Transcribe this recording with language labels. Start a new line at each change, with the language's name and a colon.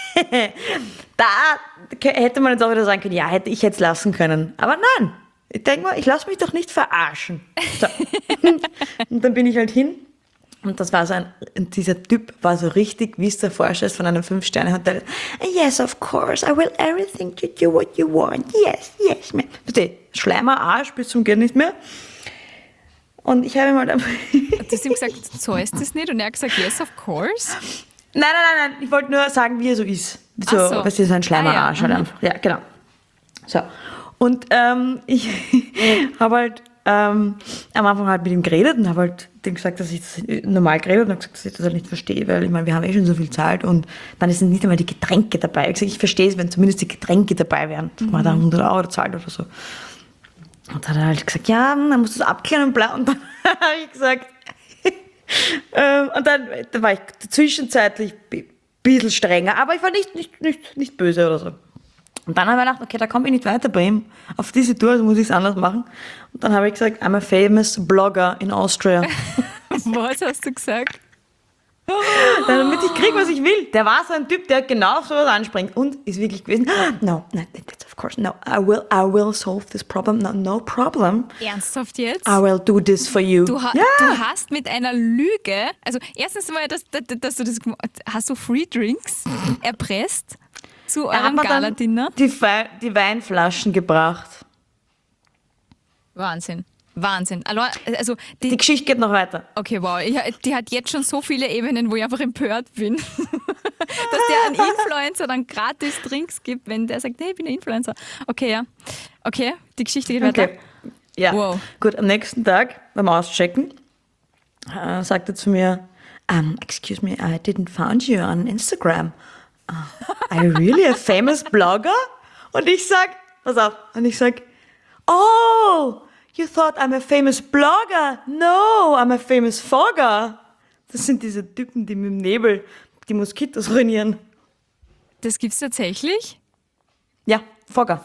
German: Da hätte man jetzt auch wieder sagen können, ja, ich hätte es lassen können. Aber nein, ich denke mal, ich lasse mich doch nicht verarschen. So. Und dann bin ich halt hin und das war so dieser Typ war so richtig, wie es der Vorstand ist von einem Fünf-Sterne-Hotel.
English: Yes, of course, I will everything to do what you want. Yes, man.
German: Bitte, Schleimer Arsch bis zum Gehen nicht mehr. Und ich habe ihm halt einfach... Du hast ihm gesagt, so ist das nicht? Und er hat gesagt,
English: yes, of course?
German: Nein. Ich wollte nur sagen, wie er so ist. So, was ist ein Schleimer Arsch? Ja. Mhm. Ja, genau. So. Und ich habe halt am Anfang halt mit ihm geredet und habe halt dem gesagt, dass ich das normal geredet und habe gesagt, dass ich das halt nicht verstehe, weil ich meine, wir haben eh schon so viel Zeit und dann sind nicht einmal die Getränke dabei. Ich sage, ich verstehe es, wenn zumindest die Getränke dabei wären, dass man da 100 Euro zahlt oder so. Und dann hat er halt gesagt, ja, dann musst du es abklären und bla. Und dann habe ich gesagt, und dann war ich zwischenzeitlich ein bisschen strenger, aber ich war nicht böse oder so. Und dann habe ich gedacht, okay, da komme ich nicht weiter bei ihm. Auf diese Tour muss ich es anders machen. Und dann habe ich gesagt,
English: I'm a famous blogger in Austria.
German: Was hast du gesagt? Damit ich kriege, was ich will. Der war so ein Typ, der genau sowas anspringt und ist wirklich gewesen.
English: No, of course. I will solve this problem. No problem.
German: Ernsthaft jetzt?
English: I will do this for you.
German: Du hast mit einer Lüge, also erstens mal, dass du das gemacht hast, du Free Drinks erpresst zu eurem Galadinner? Die Weinflaschen gebracht. Wahnsinn. Also die Geschichte geht noch weiter. Okay, wow. Die hat jetzt schon so viele Ebenen, wo ich einfach empört bin. Dass der einen Influencer dann gratis Drinks gibt, wenn der sagt, nee, ich bin ein Influencer. Okay, ja. Okay, die Geschichte geht weiter. Okay. Ja, wow. Gut. Am nächsten Tag beim Auschecken sagt er zu mir,
English: excuse me, I didn't find you on Instagram. Are you really a famous blogger?
German: Und ich sag, pass auf, und ich sag,
English: oh, you thought I'm a famous blogger? No, I'm a famous fogger.
German: Das sind diese Typen, die mit dem Nebel die Moskitos ruinieren.
English: Das gibt's tatsächlich? Ja, Fogger.